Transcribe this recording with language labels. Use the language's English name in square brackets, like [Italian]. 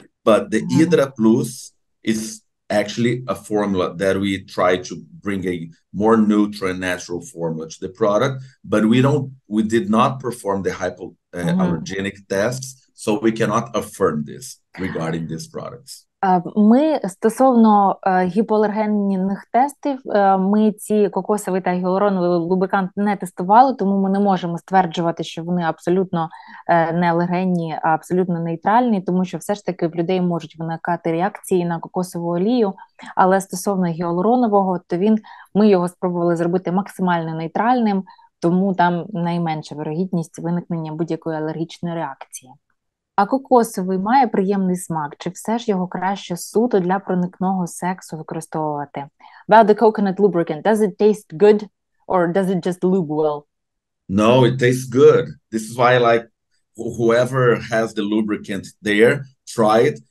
[English] But the Hydra Plus is actually a formula that we try to bring a more neutral and natural formula to the product. But we did not perform the hypoallergenic tests, so we cannot affirm this regarding these products. [Ukrainian] Ми стосовно гіпоалергенних тестів, ми ці кокосовий та гіалуроновий лубрикант не тестували, тому ми не можемо стверджувати, що вони абсолютно не алергенні, а абсолютно нейтральні, тому що все ж таки в людей можуть виникати реакції на кокосову олію. Але стосовно гіалуронового, то ми його спробували зробити максимально нейтральним, тому там найменша вірогідність виникнення будь-якої алергічної реакції. А кокосовий має приємний смак, чи все ж його краще суто для проникного сексу використовувати? [English] About the coconut lubricant, does it taste good or does it just lube well? No, it tastes good. This is why, like, whoever has the lubricant there, try it.